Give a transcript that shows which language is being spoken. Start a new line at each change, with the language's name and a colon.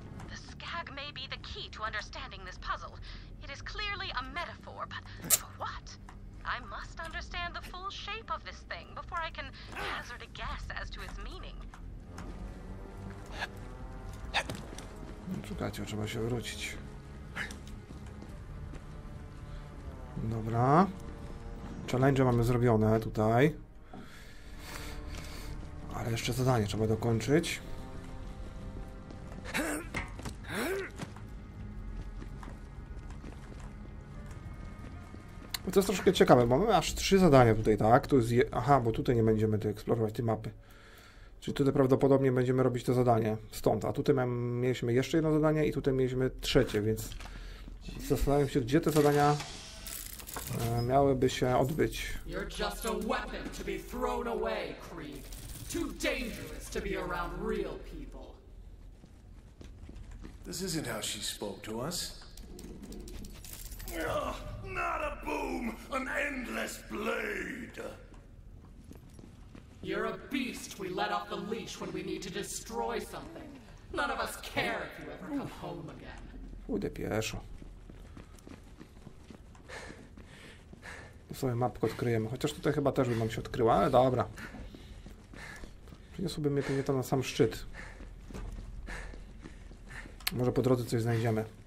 English: The skag may be the key to understanding this puzzle. It is clearly a metaphor, but for what? I must understand the full shape of this thing before I can hazard a guess as to its meaning.
Polish: Czekajcie, trzeba się wrócić. Dobra. Challenge mamy zrobione tutaj. Ale jeszcze zadanie trzeba dokończyć. To jest troszkę ciekawe, bo mamy aż trzy zadania tutaj, tak? To jest aha, bo tutaj nie będziemy eksplorować tej mapy. Czyli tutaj prawdopodobnie będziemy robić to zadanie stąd. A tutaj mieliśmy jeszcze jedno zadanie i tutaj mieliśmy trzecie, więc zastanawiam się, gdzie te zadania miałyby się odbyć.
English: You're just a weapon to be thrown away, Krieg. Too dangerous to be around real people. This isn't how she spoke to us. Not a boom, an endless blade. You're a beast we let off the leash when we need to destroy something. None of us care if you ever come home again.
Polish: Ude pieszo. Sobie mapkę odkryjemy, chociaż tutaj chyba też by nam się odkryła, ale dobra. Przyniosłoby mnie pewnie to na sam szczyt. Może po drodze coś znajdziemy.